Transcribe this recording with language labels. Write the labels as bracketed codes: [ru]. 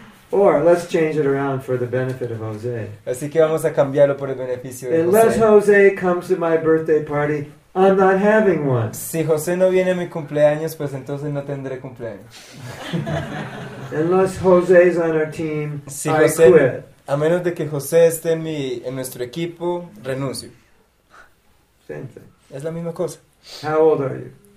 [en] Or let's change it around for the benefit of Jose. [es] Así que vamos a cambiarlo por el beneficio de Jose. [en] Unless Jose comes to my birthday party, I'm not having one. [es] Si José no viene a mi cumpleaños, pues entonces no tendré cumpleaños. [en] Unless Jose is on our team, [es] si [en] I [es] José, [en] quit. [es] A menos de que José esté en nuestro equipo, renuncio. [en] Same thing. [es] Es la misma cosa. [en] How old are you?